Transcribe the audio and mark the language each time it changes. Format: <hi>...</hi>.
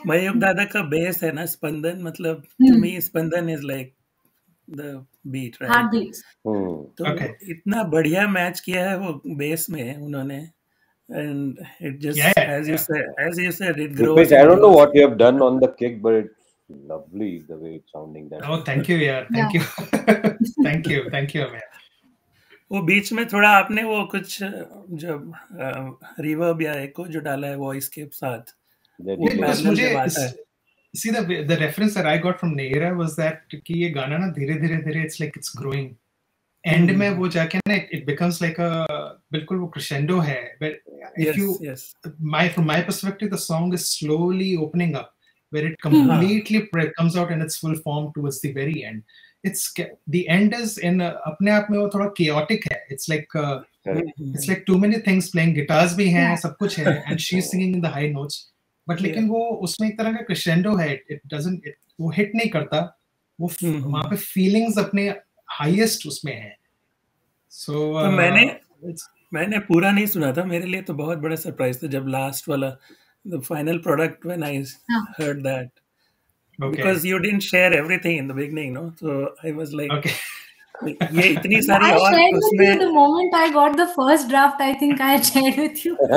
<en>Mayukh</en> <hi>dada ka bass hai na,</hi> <en>spandan, matlab, to me, spandan is like, the beat, right? Okay.</en> <hi>इतना बढ़िया match किया है वो base में उन्होंने,</hi> <en>and it just as you said it grows. Dipesh, I don't know what you have done on the kick, but it's lovely the way it's sounding. That thank you.</en> <hi>वो बीच में थोड़ा आपने वो कुछ जब रिवर्ब या एको जो डाला है वॉइस के साथ,</hi> <en>see, the reference that I got from Nehra was that</en> <hi>ki ye gana na dheere dheere</hi> <en>dheere, it's like it's growing.</en> <hi>End mein wo jaake na,</hi> <en>it becomes like a</en> <hi>bilkul wo crescendo hai.</hi> <en>But from my perspective, the song is slowly opening up, where it completely comes out in its full form towards the very end. It's the end is in</en> <hi>apne aap mein wo thoda</hi> <en>chaotic hai. It's like it's like too many things playing, guitars</en> <hi>bhi hain, sab kuch hai,</hi> <en>and she's singing in the high notes.</en> <hi>But लेकिन वो उसमें एक तरह का crescendo है,</hi> <en>it doesn't,</en> <hi>वो hit नहीं करता, वो वहां पे फीलिंग्स अपने हाईएस्ट उसमें है. सो मैंने पूरा नहीं सुना था, मेरे लिए तो बहुत बड़ा सरप्राइज था जब लास्ट वाला</hi> <en>The final product when I heard that. Okay. Because you didn't share everything in the beginning, no? So I was like, okay.</en> <hi>Ye itni sari</hi> <en>I shared with usme... you the moment I got the first draft, I think I shared with you.</en>